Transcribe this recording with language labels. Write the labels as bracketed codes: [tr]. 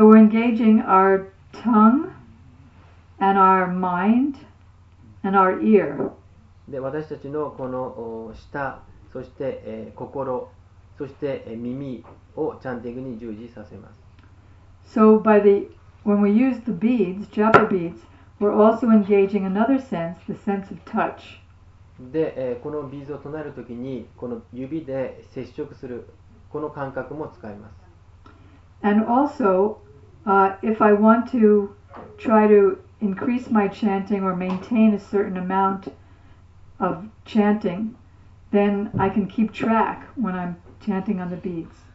[en] So we're engaging our tongue and our mind and our ear. [ja] で私たちのこの舌そして、心そして、耳をチャンティングに従事させます。 [en] So by the when we use the beads, japa beads, we're also engaging another sense, the sense of touch. [ja] で、このビーズを唱えるときにこの指で接触するこの感覚も使います。 [en] And also, if I want to try to increase my chanting or maintain a certain amount of chanting, then I can keep track when I'm chanting on the beads.